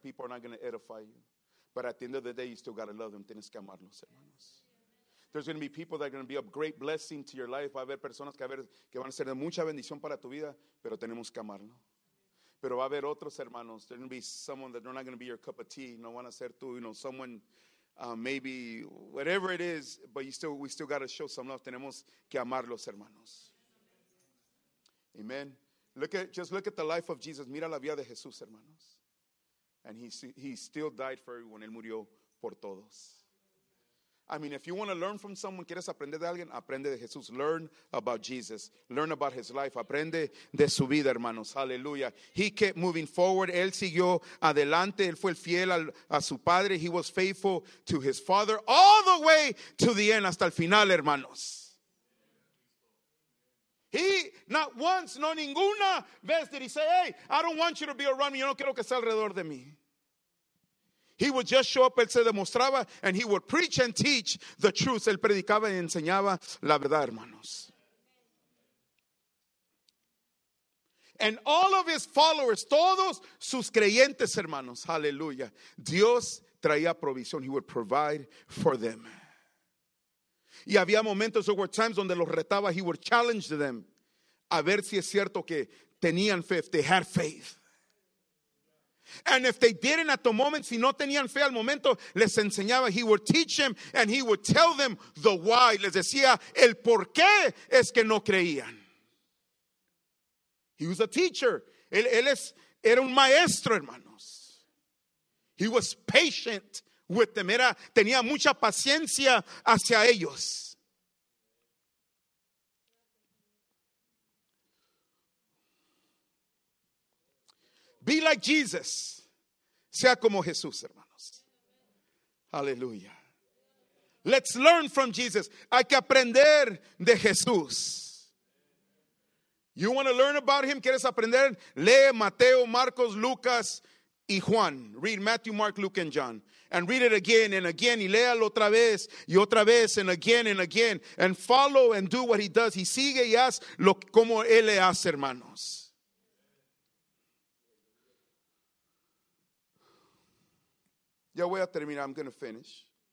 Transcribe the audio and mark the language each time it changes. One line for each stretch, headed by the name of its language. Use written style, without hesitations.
English: People are not going to edify you. But at the end of the day, you still got to love them.
Spanish: Tienes que amarlos, hermanos.
English: There's going to be people that are going to be a great blessing to your life.
Spanish: Va a haber personas que van a ser de mucha bendición para tu vida, pero tenemos que amarlo. Pero va a haber otros hermanos.
English: There's going to be someone that they're not going to be your cup of tea.
Spanish: No van a ser tú,
English: you know, someone, maybe, whatever it is, but we still got to show some love.
Spanish: Tenemos que amarlos, hermanos.
English: Amen. Just look at the life of Jesus.
Spanish: Mira la vida de Jesús, hermanos.
English: And he still died for everyone.
Spanish: Él murió por todos.
English: I mean, if you want to learn from someone,
Spanish: quieres aprender de alguien, aprende de Jesús.
English: Learn about Jesus. Learn about his life.
Spanish: Aprende de su vida, hermanos.
English: Hallelujah. He kept moving forward.
Spanish: Él siguió adelante. Él fue fiel a su padre.
English: He was faithful to his father all the way to the end.
Spanish: Hasta el final, hermanos.
English: He, not once,
Spanish: no ninguna vez
English: did he say, hey, I don't want you to be around me.
Spanish: Yo no quiero que esté alrededor de mí.
English: He would just show up,
Spanish: él se demostraba,
English: and he would preach and teach the truth.
Spanish: Él predicaba y enseñaba la verdad, hermanos.
English: And all of his followers,
Spanish: todos sus creyentes, hermanos, hallelujah, Dios traía provisión.
English: He would provide for them.
Spanish: Y había momentos,
English: there were times
Spanish: donde los retaba,
English: he would challenge them
Spanish: a ver si es cierto que tenían fe,
English: if they had faith. And if they didn't at the moment,
Spanish: si no tenían fe al momento, les enseñaba,
English: he would teach them and he would tell them the why.
Spanish: Les decía, el por qué es que no creían.
English: He was a teacher.
Spanish: Él era un maestro, hermanos.
English: He was patient with them.
Spanish: Tenía mucha paciencia hacia ellos.
English: Be like Jesus.
Spanish: Sea como Jesús, hermanos. Hallelujah.
English: Let's learn from Jesus.
Spanish: Hay que aprender de Jesús.
English: You want to learn about him?
Spanish: ¿Quieres aprender? Lee Mateo, Marcos, Lucas y Juan.
English: Read Matthew, Mark, Luke and John. And read it again and again.
Spanish: Y léalo otra vez y otra vez
English: and again. And follow and do what he does.
Spanish: Y sigue y haz lo como él le hace, hermanos. Ya voy a terminar.
English: I'm going to finish.